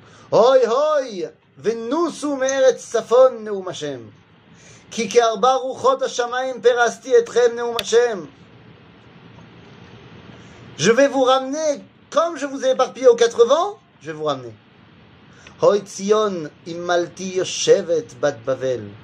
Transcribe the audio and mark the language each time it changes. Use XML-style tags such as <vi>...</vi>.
<he>הוי הוי, ונוסו מארץ צפון, נאום השם. כי כארבע רוחות השמיים פרסתי אתכם, נאום השם.</he> <fr>Je vais vous ramener, comme je vous ai éparpillé aux quatre vents, je vais vous ramener.</fr> <he>הוי ציון, אימלתי יושבת בת בבל.</he>